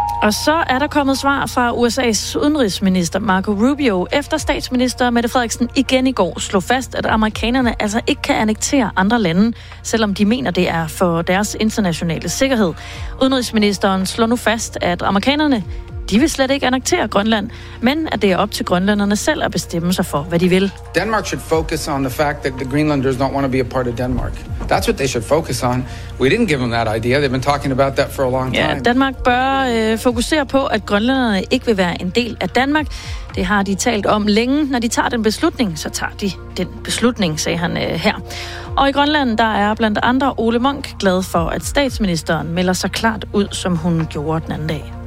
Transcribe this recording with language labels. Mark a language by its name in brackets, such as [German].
[Danish] Og så er der kommet svar fra USA's udenrigsminister Marco Rubio, efter statsminister Mette Frederiksen igen i går slog fast, at amerikanerne altså ikke kan annektere andre lande, selvom de mener, det er for deres internationale sikkerhed. Udenrigsministeren slår nu fast, at amerikanerne, de vil slet ikke annektere Grønland, men at det er op til grønlænderne selv at bestemme sig for, hvad de vil. [English] Denmark should focus on the fact that the Greenlanders don't want to be a part of Denmark. That's what they should focus on. We didn't give them that idea. They've been talking about that for a long time. [Danish] Ja, Danmark bør fokusere på, at grønlænderne ikke vil være en del af Danmark. Det har de talt om længe. Når de tager den beslutning, så tager de den beslutning, sagde han her. Og i Grønland, der er blandt andre Ole Munk glad for, at statsministeren melder sig klart ud, som hun gjorde den anden dag.